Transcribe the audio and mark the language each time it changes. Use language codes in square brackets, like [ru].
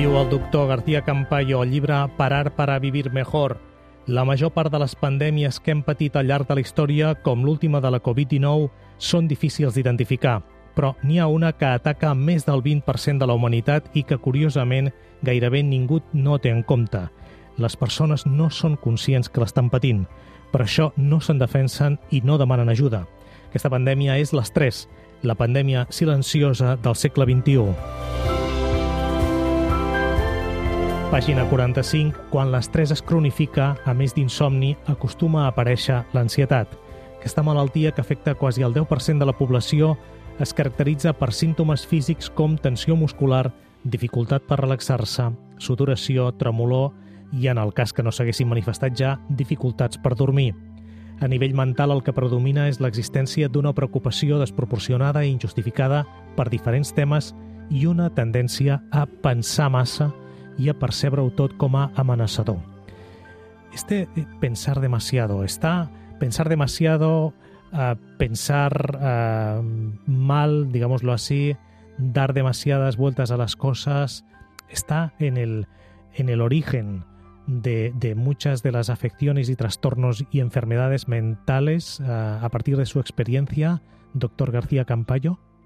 [ca] Doctor García Campayo, el llibre Parar para vivir mejor. La major part de les pandèmies que hem patit al llarg de la història, com l'última de la Covid-19, són difícils d'identificar. Però n'hi ha una que ataca més del 20% de la humanitat i que, curiosament, gairebé ningú no té en compte. Les persones no són conscients que l'estan patint. Per això no se'n defensen i no demanen ajuda. Aquesta pandèmia és l'estrès, la pandèmia silenciosa del segle XXI. Pàgina 45, quan l'estrès es cronifica, a més d'insomni, acostuma a aparèixer l'ansietat. Aquesta malaltia, que afecta quasi el 10% de la població, es caracteritza per símptomes físics com tensió muscular, dificultat per relaxar-se, sudoració, tremolor i, en el cas que no s'haguessin manifestat ja, dificultats per dormir. A nivell mental, el que predomina és l'existència d'una preocupació desproporcionada i injustificada per diferents temes i una tendència a pensar massa y a percebre-ho tot com a amenaçador. [es] Este pensar demasiado, está pensar demasiado, pensar mal, digámoslo así, dar demasiadas vueltas a las cosas, está en el origen de muchas de las afecciones y trastornos y enfermedades mentales, a partir de su experiencia, doctor García Campayo.